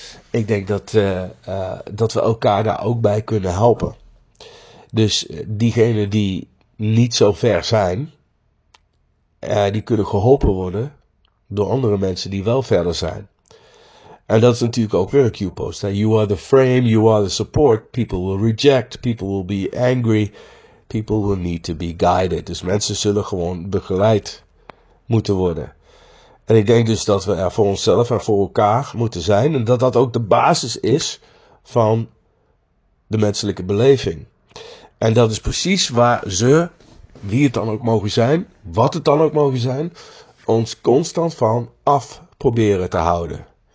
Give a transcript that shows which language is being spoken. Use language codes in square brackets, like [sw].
[nl] Ik denk dat, dat we elkaar daar ook bij kunnen helpen. Dus diegenen die niet zo ver zijn, die kunnen geholpen worden door andere mensen die wel verder zijn. En dat is natuurlijk ook weer een cue-post. Hè? [en] You are the frame, you are the support. People will reject, people will be angry. People will need to be guided. [nl] Dus mensen zullen gewoon begeleid moeten worden. En ik denk dus dat we er voor onszelf en voor elkaar moeten zijn. En dat dat ook de basis is van de menselijke beleving. En dat is precies waar ze, wie het dan ook mogen zijn, wat het dan ook mogen zijn, ons constant van af proberen te houden.